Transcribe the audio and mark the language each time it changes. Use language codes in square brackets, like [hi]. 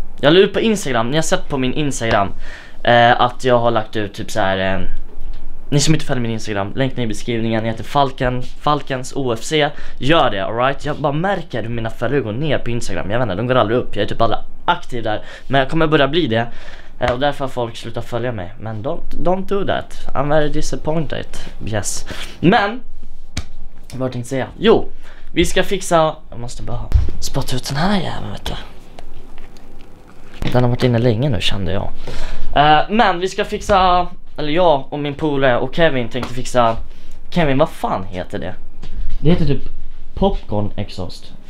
[sv] Jag la ut på Instagram, ni har sett på min Instagram att jag har lagt ut typ så här. Ni som inte följer min Instagram, länk ner i beskrivningen. Jag heter Falken, Falkens OFC. Gör det, [en] all right? [sv] Jag bara märker hur mina följare går ner på Instagram. Jag vet inte, de går aldrig upp, jag är typ aldrig aktiv där. Men jag kommer börja bli det. Och därför har folk slutat följa mig. [en] Men don't do that, I'm very disappointed. [sv] Yes. Men vad tänkte jag säga? Jo, vi ska fixa. Jag måste bara spotta ut den här jäveln, vet du. Den har varit inne länge nu, kände jag. Men vi ska fixa. Eller jag och min polare och Kevin tänkte fixa. Kevin, vad fan heter det? Det heter typ popcorn exhaust.